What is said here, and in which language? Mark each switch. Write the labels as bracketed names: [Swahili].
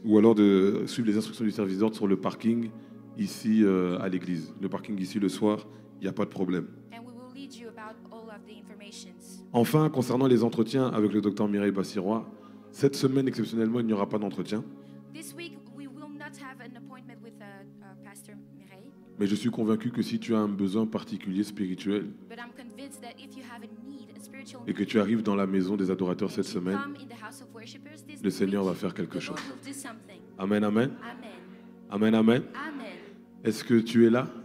[French] Ou alors de suivre les instructions du service d'ordre sur le parking ici à l'église. Le parking ici le soir, il n'y a pas de problème. [English] And we will lead you about all of the information. [French] Enfin, concernant les entretiens avec le docteur Mireille Bassirois, cette semaine, exceptionnellement, il n'y aura pas d'entretien. [English] This week, we will not have an appointment with Pastor Mireille. [French] Mais je suis convaincu que si tu as un besoin particulier spirituel [English] need, [French] et que tu arrives dans la maison des adorateurs cette semaine, le Seigneur va faire quelque chose. Amen, amen. Amen, amen. Amen, amen. Est-ce que tu es là?